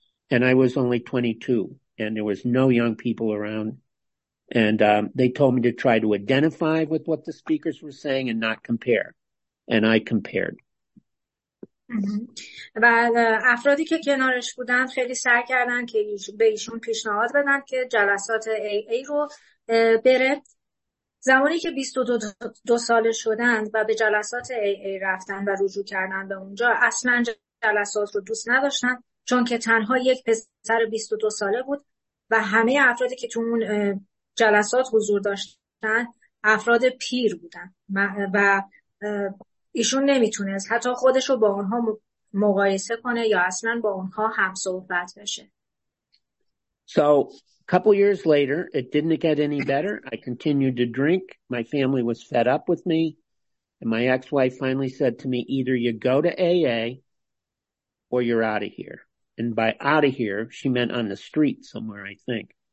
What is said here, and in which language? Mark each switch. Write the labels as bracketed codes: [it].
[en] And I was only 22. And there was no young people around. And they told me to try to identify with what the speakers were saying and not compare. And I compared. [fa] و افرادی که کنارش بودن خیلی سعی کردن که به ایشون پیشنهاد بدن که جلسات AA رو بره. زمانی که 22 ساله شدند و به جلسات AA رفتن و رجوع کردن به اونجا، اصلا جلسات رو دوست نداشتن چون که تنها یک پسر 22 ساله بود و همه افرادی که تو اون جلسات حضور داشتن افراد پیر بودن و ایشون نمیتونست حتی خودش رو با اونها مقایسه کنه یا اصلا با اونها همصحبت بشه. [en] So, a couple years later, it didn't get any better. I continued to drink. My family was fed up with me. And my ex-wife finally said to me, either you go to AA or you're out of here. And by out of here, she meant on the street somewhere, I think.